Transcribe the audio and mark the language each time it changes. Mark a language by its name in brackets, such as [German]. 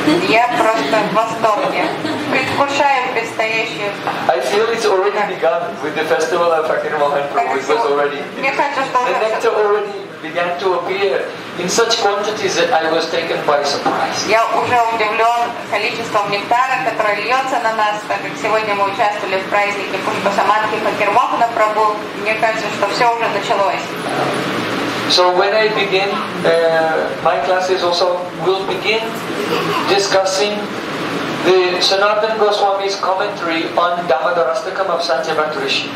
[Russian] Я просто в восторге. Предвкушаю предстоящую. [English] I feel it's already begun with the festival of Fakir Mohan Prabhu. It was already. [Russian] Мне кажется, что [English] the nectar already began to appear in such quantities that I was taken by surprise. [Russian] Я уже удивлен количеством нектара, которое льется на нас, так как сегодня мы участвовали в празднике Пушпа Самадхи Факир Мохана Прабу. Мне кажется, что все уже началось. [English] So when I begin, my classes also will begin discussing the Sanatana Goswami's commentary on Dhammadharastakam of Sanjay Bhattarishi.